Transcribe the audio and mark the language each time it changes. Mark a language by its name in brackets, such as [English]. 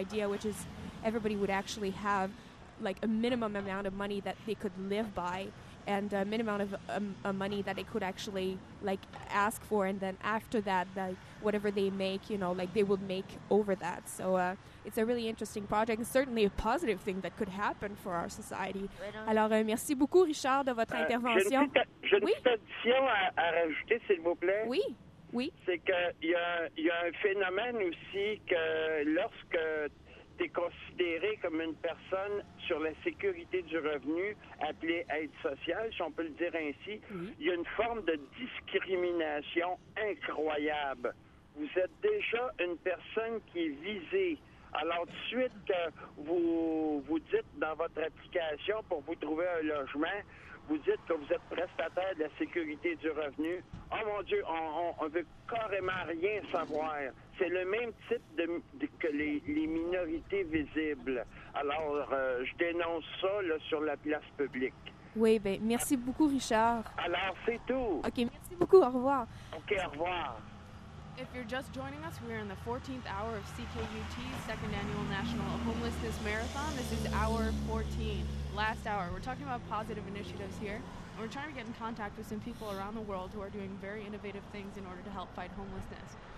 [English] idea, which is everybody would actually have like a minimum amount of money that they could live by and a minimum amount of money that they could actually like ask for, and then after that, like whatever they make, you know, like they will make over that. So it's a really interesting project, and certainly a positive thing that could happen for our society. [French] Alors merci beaucoup, Richard, de votre intervention. J'ai une petite addition à rajouter, s'il vous plaît. Oui, oui. C'est que il y a un phénomène aussi que lorsque t'es considéré comme une personne sur la sécurité du revenu, appelée aide sociale, si on peut le dire ainsi, mm-hmm. il y a une forme de discrimination incroyable. Vous êtes déjà une personne qui est visée. Alors, de suite que vous dites dans votre application pour vous trouver un logement, vous dites que vous êtes prestataire de la sécurité du revenu. Oh mon Dieu, on veut carrément rien savoir. C'est le même type que les minorités visibles. Alors, je dénonce ça là, sur la place publique. Oui, bien, merci beaucoup, Richard. Alors, c'est tout. OK, merci beaucoup, au revoir. OK, au revoir. [English] If you're just joining us, we're in the 14th hour of CKUT's second annual National Homelessness Marathon. This is hour 14, last hour. We're talking about positive initiatives here, and we're trying to get in contact with some people around the world who are doing very innovative things in order to help fight homelessness.